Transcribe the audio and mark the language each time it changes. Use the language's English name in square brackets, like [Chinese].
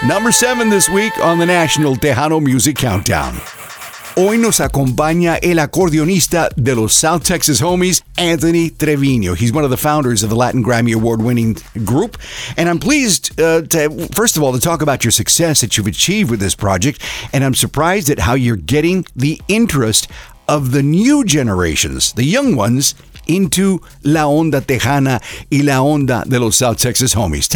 [English] Number 7 this week on the National Tejano Music Countdown. [Spanish] Hoy nos acompaña el acordeonista de los South Texas Homies, Anthony Treviño. [English] He's one of the founders of the Latin Grammy Award-winning group. And I'm pleased, to talk about your success that you've achieved with this project. And I'm surprised at how you're getting the interest of the new generations, the young ones, into La Onda Tejana y La Onda de los South Texas Homies.